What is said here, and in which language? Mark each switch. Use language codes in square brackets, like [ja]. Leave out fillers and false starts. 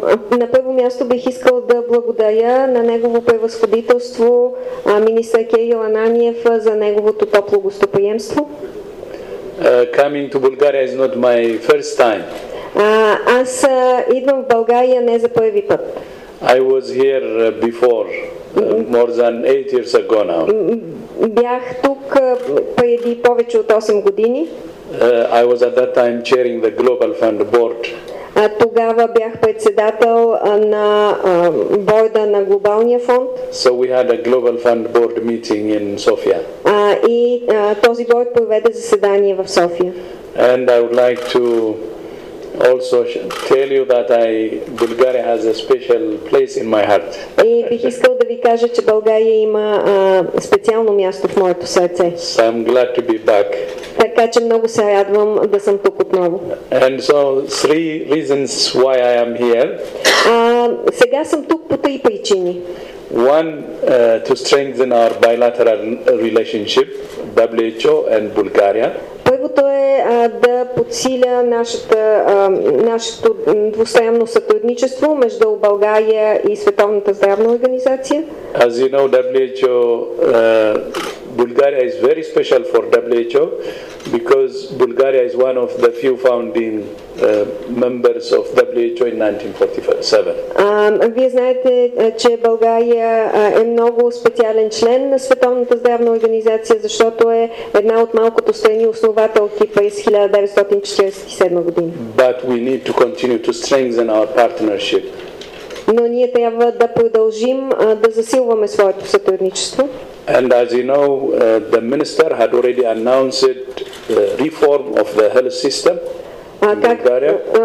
[bg] На първо място бих искал да благодаря на негово превъзходителство министър Кирил Ананиев за неговото топло гостоприемство. [en] Coming to Bulgaria is not my first time. [bg] Аз идвам в България не за първи път. [en] I was here before, more than 8 years ago now. [bg] Бях тук преди повече от 8 години. [en] I was at that time chairing the Global Fund board. [bg] Тогава бях председател на борда на Глобалния фонд. [en] So we had a Global Fund board meeting in Sofia. [bg] Този борд проведе заседание в София. [en] And I would like to also tell you that Bulgaria has a special place in my heart. [bg] И бих искал да ви кажа, че България има специално място в моето сърце. [en] So I'm glad to be back. [bg] Така че много се радвам да съм тук отново. [en] And so three reasons why I am here. [bg] Сега съм тук по три причини. [en] One, to strengthen our bilateral relationship, WHO and Bulgaria. [bg] Първото е да подсиля нашето двустранно сътрудничество между България и Световната здравна организация. [en] As you know, WHO, Bulgaria is very special for WHO because Bulgaria is one of the few founding members of WHO in 1947. [bg] Вие знаете, че България е много специален член на Световната здравна организация, защото е една от малкото страни основателки през 1947 година. [en] But we need to continue to strengthen our partnership. [bg] Но ние трябва да продължим да засилваме своето сътрудничество. [en] And as you know, the minister had already announced the reform of the health system in Bulgaria.